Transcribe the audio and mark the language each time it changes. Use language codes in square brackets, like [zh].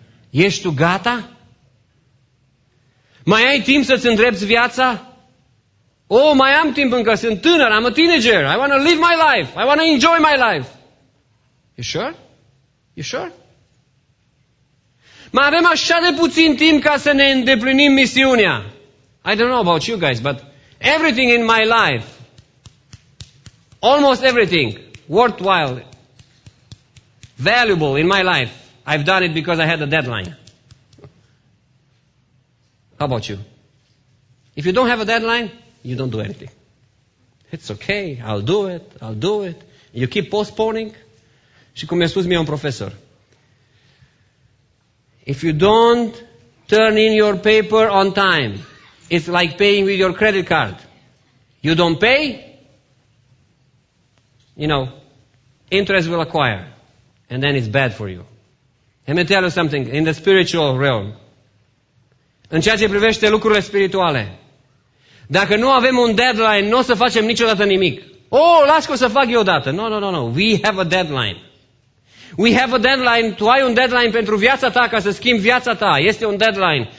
[ro] Ești tu gata? Mai ai timp să-ți îndrepți viața? Oh, mai am timp încă, sunt tânăr, [en] I'm a teenager, I want to live my life, I want to enjoy my life. You sure? [ro] Mai avem așa de puțin timp ca să ne îndeplinim misiunea. [en] I don't know about you guys, but everything in my life, almost everything worthwhile, valuable in my life, I've done it because I had a deadline. How about you? If you don't have a deadline, you don't do anything. It's okay, I'll do it. You keep postponing. [ro] Și cum mi-a spus mie un profesor, [en] if you don't turn in your paper on time, it's like paying with your credit card. You don't pay, you know, interest will acquire, and then it's bad for you. Let me tell you something, in the spiritual realm, [ro] în ceea ce privește lucrurile spirituale, dacă nu avem un deadline, nu o să facem niciodată nimic. Oh, las că o să fac eu odată. [en] No. We have a deadline. We have a deadline. [ro] Tu ai un deadline pentru viața ta, ca să schimbi viața ta. Este un deadline.